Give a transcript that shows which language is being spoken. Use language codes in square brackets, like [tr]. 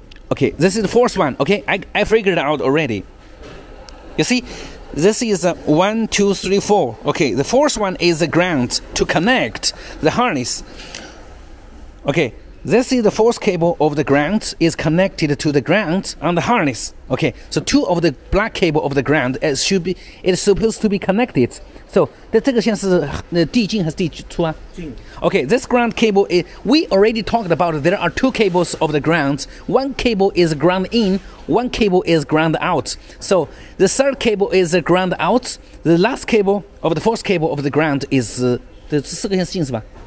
[en] Okay, this is the fourth one. Okay, I figured it out already. You see, this is 1, 2, 3, 4. Okay, the fourth one is the ground to connect the harness. Okay, this is the fourth cable of the ground is connected to the ground on the harness. Okay, so two of the black cable of the ground it's supposed to be connected. So, [zh] 这个线是递进还是递出啊？进。 [en] Okay, this ground cable, we already talked about there are two cables of the ground. One cable is ground in, one cable is ground out. So, the third cable is ground out. The last cable of the fourth cable of the ground is... [zh] 这四个线是进是吧？